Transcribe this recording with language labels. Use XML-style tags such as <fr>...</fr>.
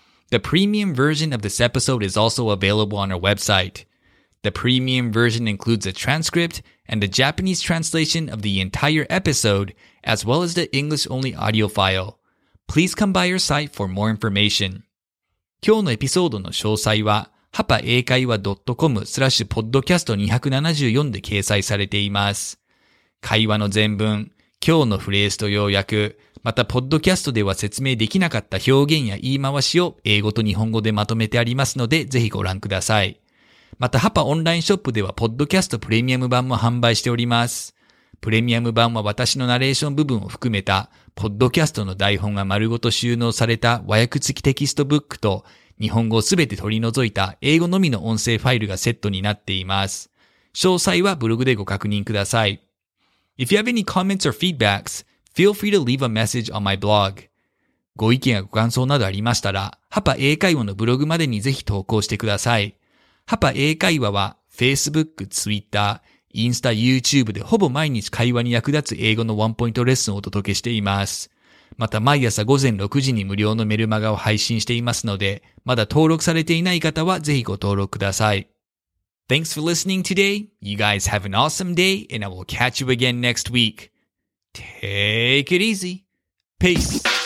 <en>The premium version of this episode is also available on our website. The premium version includes a transcript and a Japanese translation of the entire episode, as well as the English-only audio file. Please come by our site for more information.</en> <ja>今日のエピソードの詳細は、hapaekaiwa.com/podcast274 で掲載されています。会話の全文、今日のフレーズと要約、またポッドキャストでは説明できなかった表現や言い回しを英語と日本語でまとめてありますので、ぜひご覧ください。またハパオンラインショップではポッドキャストプレミアム版も販売しております。プレミアム版は私のナレーション部分を含めたポッドキャストの台本が丸ごと収納された和訳付きテキストブックと日本語をすべて取り除いた英語のみの音声ファイルがセットになっています。詳細はブログでご確認ください。</ja> <en>If you have any comments or feedbacks, feel free to leave a message on my blog.</en> <ja>ご意見やご感想などありましたら、ハパ英会話のブログまでにぜひ投稿してください。ハパ英会話は Facebook、Twitter、Insta、YouTube でほぼ毎日会話に役立つ英語のワンポイントレッスンをお届けしています。また毎朝午前6時に無料のメルマガを配信していますので、まだ登録されていない方はぜひご登録ください。</ja> <en>Thanks for listening today. You guys have an awesome day and I will catch you again next week. Take it easy. Peace.</en>